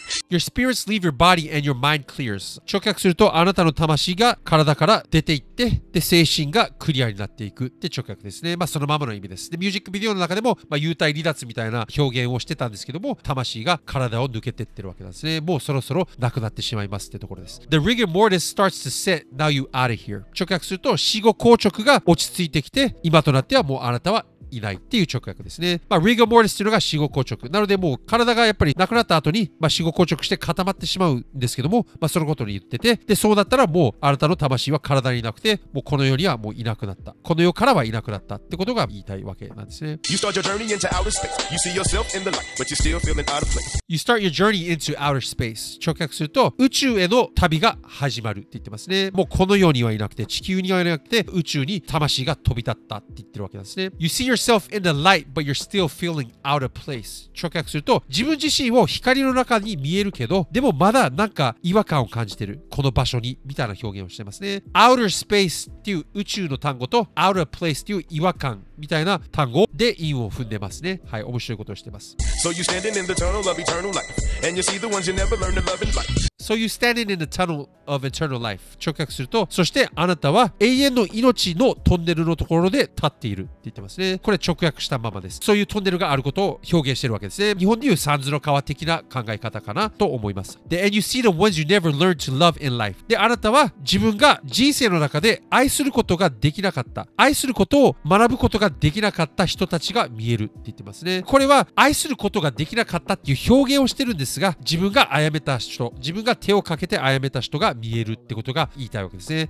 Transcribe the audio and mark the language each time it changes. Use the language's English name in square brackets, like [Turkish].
[English] Your spirits leave your body and your mind clears. [Japanese] 直訳すると、あなたの魂が体から出ていって、で精神がクリアになっていくって直訳ですね。まあそのままの意味です。でミュージックビデオの中でも、まあ、幽体離脱みたいな表現をしてたんですけども、魂が体を抜けてってるわけなんですね。もうそろそろなくなってしまいますってところです。 [English] The rigor mortis starts to set. Now you out of here. [Japanese] 直訳すると、死後硬直が落ち着いてきて、今となってはもうあなたはいないっていう直訳ですね。まあ、rigor mortis というのが死後硬直。なので、もう体がやっぱり亡くなった後に、まあ、死後硬直して固まってしまうんですけども、まあ、そのことに言ってて、で、そうなったらもう、あなたの魂は体にいなくて、もうこの世にはもういなくなった。この世からはいなくなったってことが言いたいわけなんですね。 [English] You start your journey into outer space. You see yourself in the light, but you're still feeling out of place. You start your journey into outer space. [Japanese] 直訳すると、宇宙への旅が始まるって言ってますね。もうこの世にはいなくて、地球にはいなくて、宇宙に魂が飛び立ったって言ってるわけなんですね。 [English] You see yourself in the light, but you're still feeling out of place. [Japanese] 直訳すると、自分自身を光の中に見えるけど、でもまだなんか違和感を感じてる。この場所に、みたいな表現をしてますね。Outer space っていう宇宙の単語と、Outer place っていう違和感みたいな単語で韻を踏んでますね。はい、面白いことをしてます。 [English] So you're standing in the tunnel of eternal life, and you see the ones you never learned to love in life. So you standing in the tunnel of eternal life. [Japanese] 直訳すると、そしてあなたは永遠の命のトンネルのところで立っているって言ってますね。これ直訳したままです。そういうトンネルがあることを表現してるわけですね。日本でいう三途の川的な考え方かなと思います。 [English] で、and you see the ones you never learned to love in life. [Japanese] で、あなたは自分が人生の中で愛することができなかった。愛することを学ぶことができなかった人たちが見えるって言ってますね。これは愛することができなかったっていう表現をしてるんですが、自分が殺めた人、自分が手をかけて殺めた人が見えるってことが言いたいわけですね。